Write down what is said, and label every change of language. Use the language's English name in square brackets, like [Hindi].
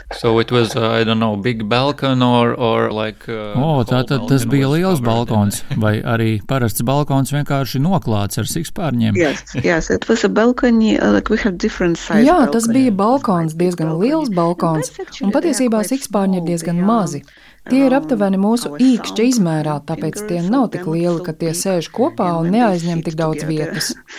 [English] So it was, I don't know, big balcony or like... [Latvian] Tātad tas bija liels balkons, vai arī parasts balkons vienkārši noklāts ar cikspārņiem? [English] Yes, it was a balcony, like we have different size balcony. [Latvian] Jā, tas bija balkons, diezgan liels balkons, un patiesībā cikspārņi ir diezgan mazi. Tie ir aptuveni mūsu īkšķa izmērā, tāpēc tie nav tik lieli, ka tie sēž kopā un neaizņem tik daudz vietas.